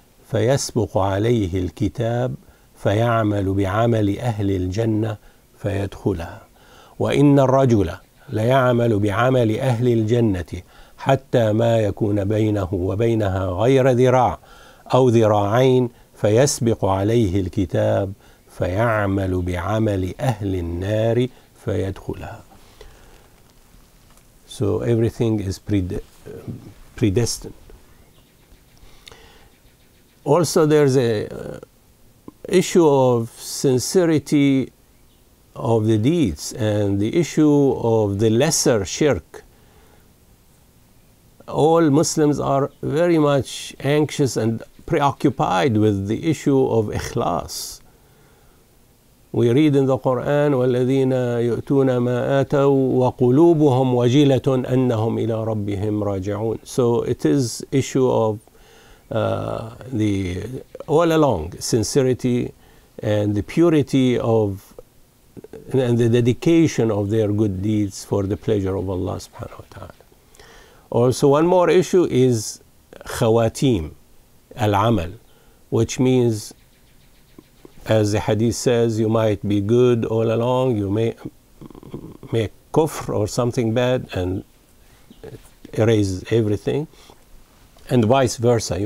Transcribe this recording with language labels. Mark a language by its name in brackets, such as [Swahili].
[Arabic] فيسبق عليه الكتاب فيعمل بعمل أهل الجنة فيدخلها وإن الرجل ليعمل بعمل أهل الجنة حتى ما يكون بينه وبينها غير ذراع أو ذراعين فيسبق عليه الكتاب فيعمل بعمل أهل النار فيدخلها. [English] So everything is predestined. also there's a issue of sincerity of the deeds and the issue of the lesser shirk. All Muslims are very much anxious and preoccupied with the issue of ikhlas. We read in the Quran, [Arabic] وَالَّذِينَ يُؤْتُونَ مَا آتَوا وَقُلُوبُهُمْ وَجِلَةٌ أَنَّهُمْ إِلَىٰ رَبِّهِمْ رَاجِعُونَ. [English] So it is issue of the all along sincerity and the purity of and the dedication of their good deeds for the pleasure of Allah subhanahu wa ta'ala. Also, one more issue is khawatim al-amal, which means, as the hadith says, you might be good all along, you may make kufr or something bad and erase everything, and vice versa.